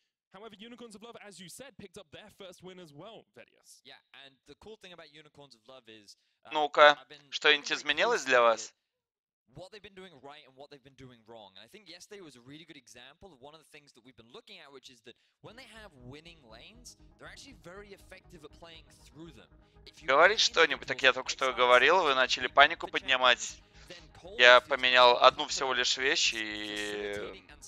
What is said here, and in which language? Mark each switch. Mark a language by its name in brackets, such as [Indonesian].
[English] However, Unicorns of Love, as you said, picked up their first win as well, Vedius. Yeah, and the cool thing about Unicorns of Love is... [Russian] Ну-ка, что-нибудь изменилось для вас? [English] What they've been doing right and what they've been doing wrong. And I think yesterday was a really good example of one of the things that we've been looking at, which is that when they have winning lanes, they're actually very effective at playing through them. [Russian] Говорить что-нибудь, так я только что говорил, вы начали панику поднимать. Я поменял одну всего лишь вещь и...